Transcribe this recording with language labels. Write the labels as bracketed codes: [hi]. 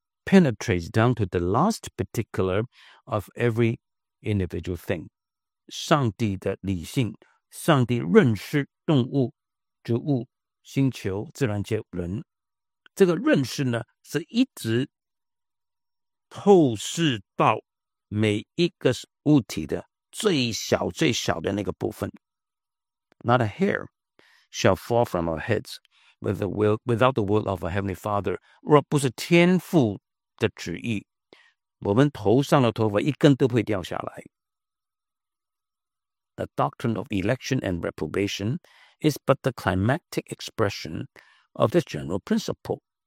[en] penetrates down to the last particular of every individual thing. [zh] 上帝的理性，上帝认识动物、植物、星球、自然界、人。这个认识呢，是一直透视到每一个物体的最小、最小的那个部分。 [en] Not a hair shall fall from our heads with the will, without the will of our Heavenly Father. [zh] 若不是天父的旨意，我们头上的头发一根都不会掉下来。 [en] The doctrine of election and reprobation is but the climactic expression of this general principle.